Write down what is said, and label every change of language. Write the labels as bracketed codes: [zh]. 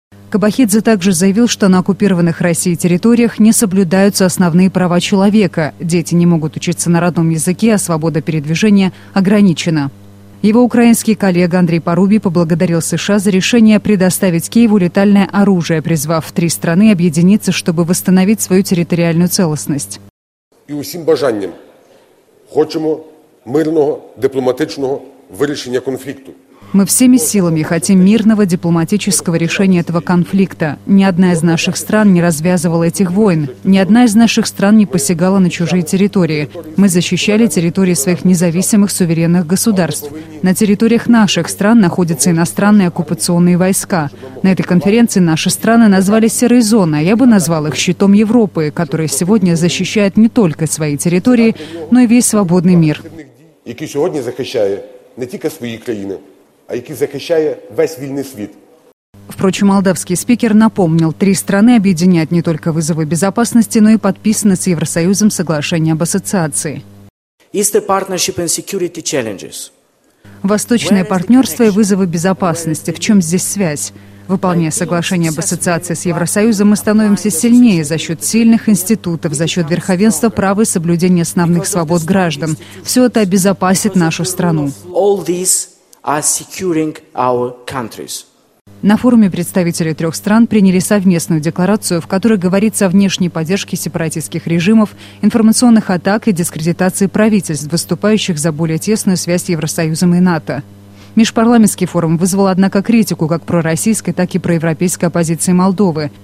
[ru] Кабахидзе также заявил, что на оккупированных Россией территориях не соблюдаются основные права человека. Дети не могут учиться на родном языке, а свобода передвижения ограничена. Его украинский коллега Андрей Порубий поблагодарил США за решение предоставить Киеву летальное оружие, призвав три страны объединиться, чтобы восстановить свою территориальную целостность. [uk] И усім бажанням хочемо мирного дипломатичного вирішення конфлікту. [ru] Мы всеми силами хотим мирного дипломатического решения этого конфликта. Ни одна из наших стран не развязывала этих войн. Ни одна из наших стран не посягала на чужие территории. Мы защищали территории своих независимых суверенных государств. На территориях наших стран находятся иностранные оккупационные войска. На этой конференции наши страны назвали серой зоной, а я бы назвал их щитом Европы, которая сегодня защищает не только свои территории, но и весь свободный мир. [uk] Який сьогодні захищає не тільки свої країни, а який захищає весь вільний світ. [ru] Впрочем, молдавский спикер напомнил, три страны объединяют не только вызовы безопасности, но и подписаны с Евросоюзом соглашение об ассоциации. [en] Eastern Partnership and Security Challenges. [ru] Восточное партнерство и вызовы безопасности. В чем здесь связь? Выполняя соглашение об ассоциации с Евросоюзом, мы становимся сильнее за счет сильных институтов, за счет верховенства права и соблюдения основных свобод граждан. Все это обезопасит нашу страну. [en] Are securing our countries. [ru] На форуме представители трех стран приняли совместную декларацию, в которой говорится о внешней поддержке сепаратистских режимов, информационных атак и дискредитации правительств, выступающих за более тесную связь с Евросоюзом и НАТО. Межпарламентский форум вызвал, однако, критику как пророссийской, так и проевропейской оппозиции Молдовы.